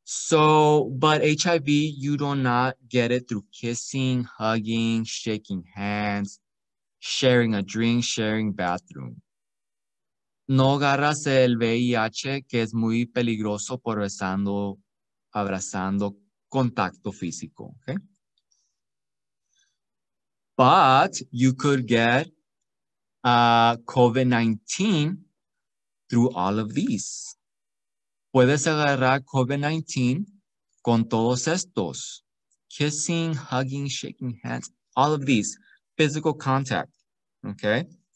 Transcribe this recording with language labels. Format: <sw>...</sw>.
<en>But HIV, you do not get it through kissing, hugging, shaking hands, sharing a drink, sharing bathroom.</en> <es>No agarras el VIH, que es muy peligroso por besando, abrazando, contacto físico, okay?</es> <en>But you could get COVID-19 through all of these.</en> <es>Puedes agarrar COVID-19 con todos estos.</es> <en>Kissing, hugging, shaking hands, all of these. Physical contact. Okay.</en>